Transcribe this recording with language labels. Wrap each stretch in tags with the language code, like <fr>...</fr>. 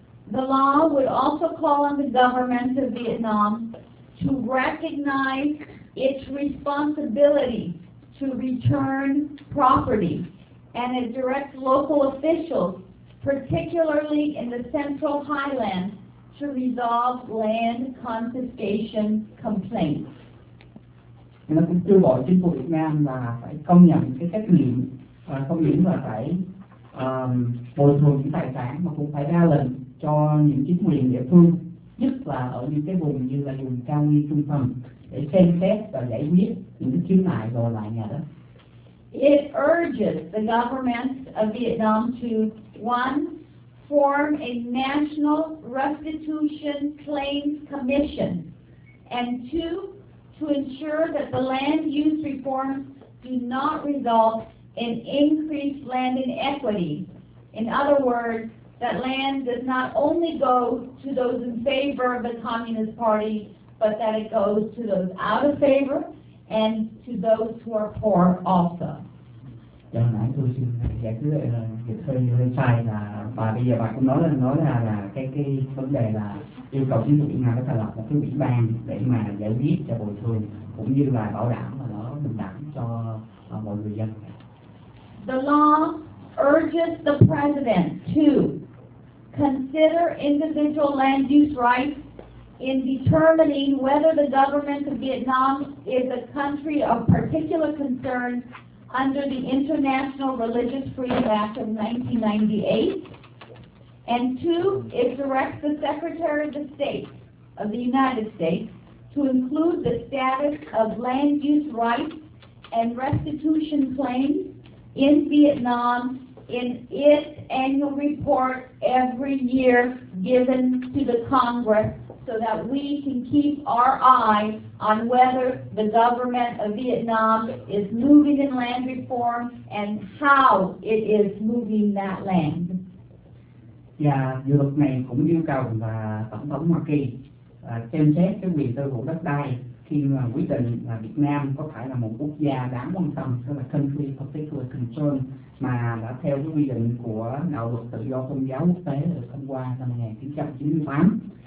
<en>The law would also call on the government of Vietnam to recognize its responsibility to return property and it directs local officials, particularly in the Central Highlands, to resolve land confiscation complaints.</en> <vi>Nên cũng kêu gọi chính phủ Việt Nam là phải công nhận cái trách nhiệm và không những là phải bồi thường những tài sản mà cũng phải ra lệnh cho những chính quyền địa phương, nhất là ở những cái vùng như là vùng cao nguyên trung tâm, để xem xét và giải quyết những khiếu nại rồi lại nhà đất.</vi> <en>It urges the government of Vietnam to, one, form a national restitution claims commission, and two, to ensure that the land use reforms do not result in increased land inequity. In other words, that land does not only go to those in favor of the Communist Party, but that it goes to those out of favor and to those who are poor also.</en> <vi>Chào nãy tôi xin giải thích lại là dịch hơi sai là bà bây giờ bà cũng nói là cái vấn đề là yêu cầu chính phủ Việt Nam phải thành lập một cái ủy ban để mà giải quyết cho bồi thường cũng như là bảo đảm mà nó bình đẳng cho mọi người dân.</vi> <en>The law urges the president to consider individual land use rights in determining whether the government of Vietnam is a country of particular concern under the International Religious Freedom Act of 1998, and two, it directs the Secretary of State of the United States to include the status of land use rights and restitution claims in Vietnam in its annual report every year given to the Congress so that we can keep our eye on whether the government of Vietnam is moving in land reform and how it is moving that land.</en> <vi>Yeah, dự luật này cũng yêu cầu là Tổng thống Hoa Kỳ xem xét cái quyền tư hữu đất đai khi mà quyết định là Việt Nam có phải là một quốc gia đáng quan tâm, tức là</vi> <en>country of particular concern,</en> <vi>mà đã theo cái quy định của đạo luật tự do tôn giáo quốc tế được thông qua năm 1998.</vi>